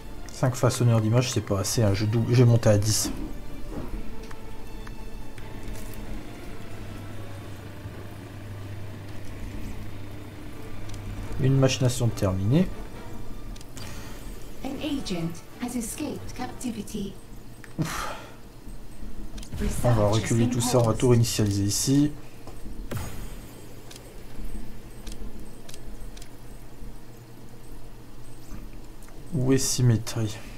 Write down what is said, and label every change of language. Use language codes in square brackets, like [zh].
[fr] Cinq façonneurs d'images, c'est pas assez, hein. J'ai monté à 10. Une machination terminée. [en] An agent has escaped captivity. Ouf. [fr] On va reculer tout ça, on va tout réinitialiser ici. Où est symétrie?